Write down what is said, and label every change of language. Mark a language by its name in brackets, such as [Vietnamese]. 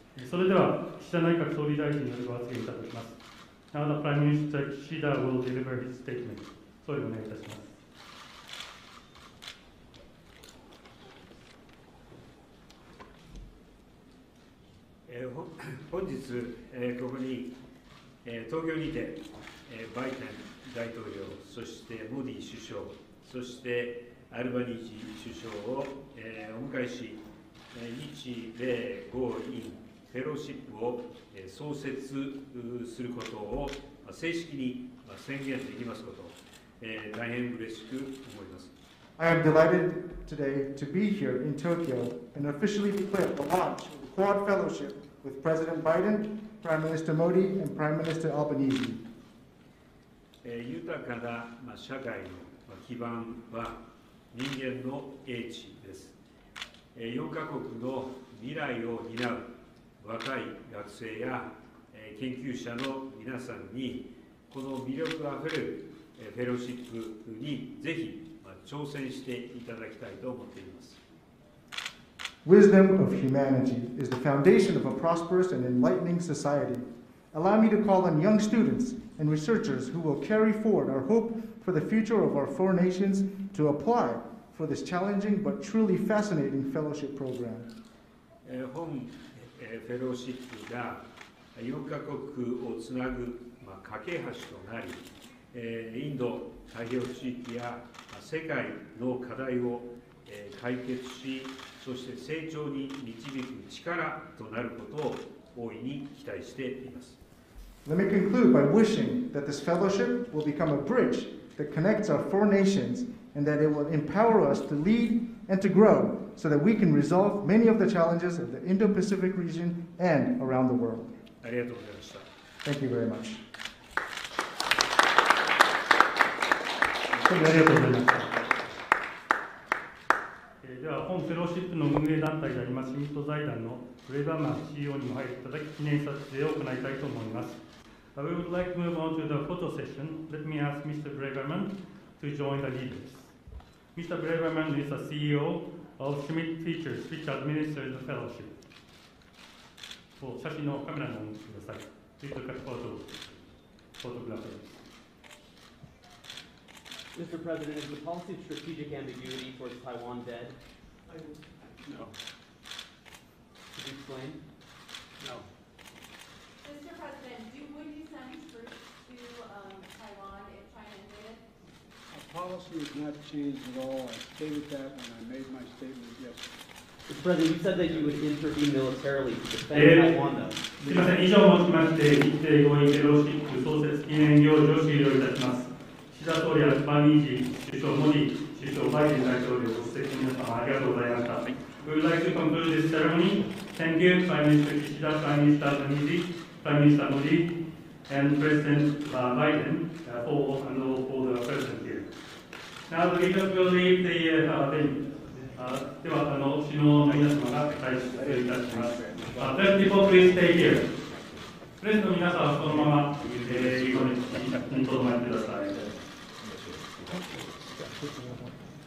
[Japanese] それでは岸田内閣総理大臣によるご発言いただきます。 [English] Now the Prime Minister Kishida will deliver his statement. [Japanese] 総理お願いいたします。本日ここに東京にてバイデン大統領、そしてモディ首相、そしてアルバニージー首相をお迎えし、日米豪印フェローシップを創設することを正式に宣言できますこと、大変嬉しく思います。 [English] I am delighted today to be here in Tokyo and officially declare the launch of the Quad Fellowship with President Biden, Prime Minister Modi, and Prime Minister Albanese. [Japanese] 豊かな社会の基盤は人間の英知です。 4カ国の未来を担う若い学生や研究者の皆さんに、この魅力あふれるフェローシップにぜひ挑戦していただきたいと思っています。 [English] Wisdom of humanity is the foundation of a prosperous and enlightening society. Allow me to call on young students and researchers who will carry forward our hope for the future of our four nations to apply for this challenging but truly fascinating fellowship program. [Japanese] フェローシップが4カ国をつなぐ架け橋となり、インド太平洋地域や世界の課題を解決し、そして成長に導く力となることを大いに期待しています。 [English] Let me conclude by wishing that this fellowship will become a bridge that connects our four nations and that it will empower us to lead and to grow. So that we can resolve many of the challenges of the Indo-Pacific region and around the world. [Japanese] ありがとうございました。 [English] Thank you very much. [Japanese] ありがとうございました。では本フェローシップの運営団体であります市民と財団のフレーバーマン CEO にも入っていただき記念撮影を行いたいと思います。 [English] We would like to move on to the photo session. Let me ask Mr. Braverman to join the leaders. Mr. Braverman is the CEOof Schmidt Features, which administers the fellowship. [Japanese] こう写真のカメラのお持ちください。ビートカットフォトグラフです。 [English] Mr. President, is the policy of strategic ambiguity for Taiwan dead? No. Could you explain? No. Mr. President, would you send troops to Taiwan if China invaded? Policy has not changed at all. I stated that when I made my statement yesterday. Mr. President, you said that you would intervene militarily to defend Taiwan, though. [Japanese] すみません。以上をもちまして、日米豪印フェローシップ創設記念行事を終了いたします。岸田総理、アルバニージー首相、モディ首相、バイデン大統領、ご出席の皆様、ありがとうございました。 [English] We would like to conclude this ceremony. Thank you, Prime Minister Kishida, Prime Minister Albanese, Prime Minister Modi, and President Biden, for the president. Now the leaders will leave the venue. [Japanese] では、首脳の皆様が退出いたします。 [English] Then people please stay here. [Japanese] プレゼントの皆さんはこのまま、留まってください。